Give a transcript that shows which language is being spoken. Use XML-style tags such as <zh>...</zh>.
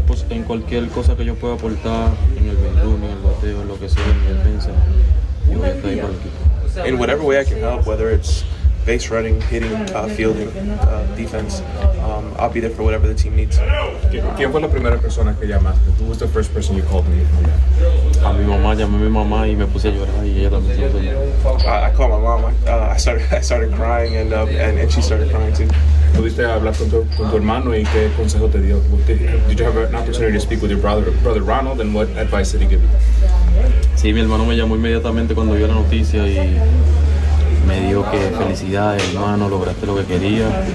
<es>En cualquier cosa que yo pueda aportar en el bullpen, en el bateo, en lo que sea, en mi defensa, yo voy a estar ahí para el equipo.</es> <en>In whatever way I can help, whether it's base running, hitting, fielding, defense, I'll be there for whatever the team needs.</en> <es>¿Quién fue la primera persona que llamaste?</es> <en>Who was the first person you called me?</en> <es>A mi mamá, llamé a mi mamá y me puse a llorar y ella también.</es> <en>I called my mom. I started crying and she started crying too.</en> <es>¿Pudiste hablar con tu hermano y qué consejo te dio?</es> <en>Did you have an opportunity to speak with your brother Ronald, and what advice did he give you?</en> <es>Sí, mi hermano me llamó inmediatamente cuando vio la noticia y me dijo que felicidades, hermano, lograste lo que quería.</es>